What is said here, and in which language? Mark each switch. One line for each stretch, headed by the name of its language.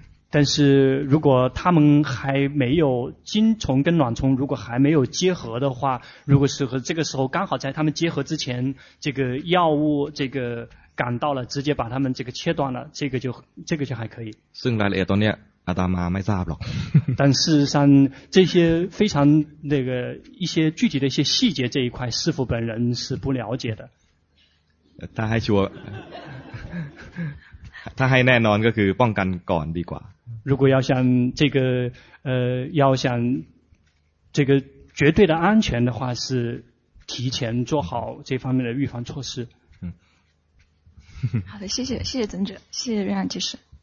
Chinese: 但是如果他们还没有精虫跟卵虫如果还没有结合的话如果是和这个时候刚好在他们结合之前这个药物这个赶到了直接把他们这个切断了这个就还可以
Thai: ซึ่งรายละเอียดตรงนี้อาตมาไม่ทราบหรอก
Chinese: 但事实上这些非常那个一些具体的一些细节这一块师父本人是不了解的他还说
Thai: ถ้าให้แน่นอนก็คือป้องกันก่อนดีกว่า
Chinese: 如果要想这个要想这个绝对的安全的话是提前做好这方面的预防措施好的谢谢谢谢尊者谢谢瑞安居士